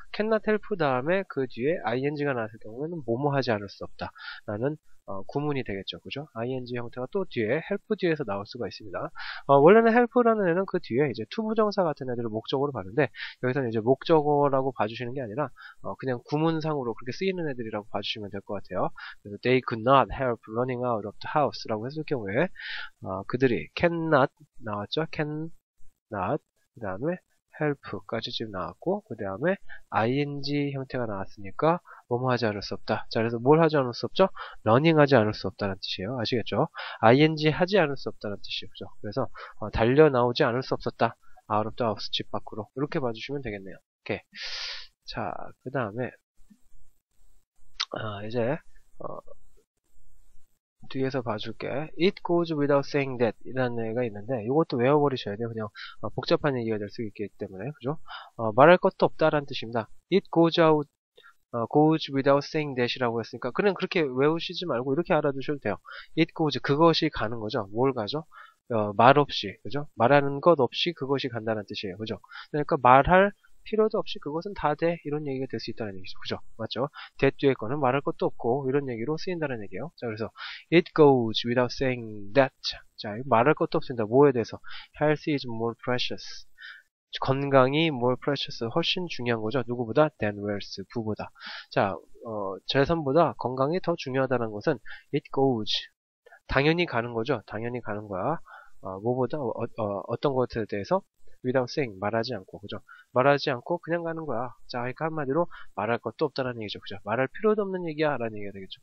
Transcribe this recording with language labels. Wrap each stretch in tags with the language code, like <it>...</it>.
<ko>cannot help 다음에 그 뒤에 ing가 나왔을 경우에는 뭐뭐 하지 않을 수 없다. 라는 구문이 되겠죠. 그죠? ing 형태가 또 뒤에 help 뒤에서 나올 수가 있습니다. 원래는 help라는 애는 그 뒤에 이제 to 부정사 같은 애들을 목적으로 봤는데 여기서는 이제 목적어라고 봐주시는 게 아니라 그냥 구문상으로 그렇게 쓰이는 애들이라고 봐주시면 될것 같아요. 그래서</ko> <en>they could not help running out of the house</en> <ko>라고 했을 경우에 그들이 cannot 나왔죠? cannot 그다음에 help까지 지금 나왔고 그 다음에 ing 형태가 나왔으니까 뭐뭐 하지 않을 수 없다. 자, 그래서 뭘 하지 않을 수 없죠? running 하지 않을 수 없다는 뜻이에요. 아시겠죠? ing 하지 않을 수 없다는 뜻이죠. 그래서 달려 나오지 않을 수 없었다. out of the house 집 밖으로 이렇게 봐주시면 되겠네요. 오케이. 자, 그 다음에 이제 뒤에서 봐줄게.</ko> <en>It goes without saying that</en> <ko>이라는 애가 있는데 이것도 외워버리셔야 돼요. 그냥 복잡한 얘기가 될수 있기 때문에 그죠? 말할 것도 없다라는 뜻입니다.</ko> <en>It goes without saying that</en> <ko>이라고 했으니까 그냥 그렇게 외우시지 말고 이렇게 알아두셔도 돼요. It goes 그것이 가는 거죠. 뭘 가죠? 말 없이 그죠? 말하는 것 없이 그것이 간다는 뜻이에요. 그죠? 그러니까 말할 필요도 없이 그것은 다 돼. 이런 얘기가 될수 있다는 얘기죠. 그죠? 맞죠? that 뒤에 거는 말할 것도 없고, 이런 얘기로 쓰인다는 얘기예요. 자, 그래서,</ko> <en>it goes without saying that.</en> <ko>자, 말할 것도 없습니다. 뭐에 대해서?</ko> <en>health is more precious.</en> <ko>건강이</ko> <en>more precious.</en> <ko>훨씬 중요한 거죠. 누구보다? than wealth. 부보다. 자, 재산보다 건강이 더 중요하다는 것은,</ko> <en>it goes.</en> <ko>당연히 가는 거죠. 당연히 가는 거야. 뭐보다? 어떤 것에 대해서?</ko> <en>without saying</en> <ko>말하지 않고 그죠? 말하지 않고 그냥 가는 거야. 자, 그러니까 한마디로 말할 것도 없다라는 얘기죠. 그죠? 말할 필요도 없는 얘기야라는 얘기가 되겠죠.</ko>